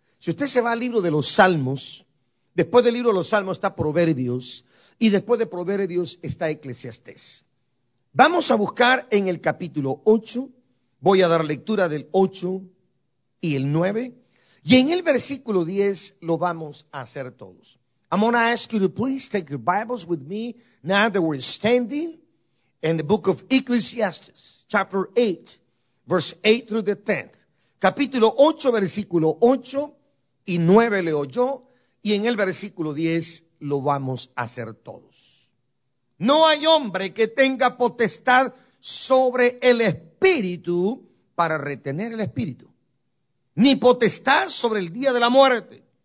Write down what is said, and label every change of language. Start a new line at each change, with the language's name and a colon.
Spanish: Si usted se va al libro de los Salmos, después del libro de los Salmos está Proverbios, y después de Proverbios está Eclesiastés. Vamos a buscar en el capítulo 8, voy a dar lectura del 8 y el 9, y en el versículo 10 lo vamos a hacer todos.
English: I'm going to ask you to please take your Bibles with me now that we're standing in the book of Ecclesiastes, chapter 8, verse 8 through the 10th.
Spanish: Capítulo 8, versículo 8 y 9 leo yo, y en el versículo 10 lo vamos a hacer todos. No hay hombre que tenga potestad sobre el espíritu para retener el espíritu, ni potestad sobre el día de la muerte.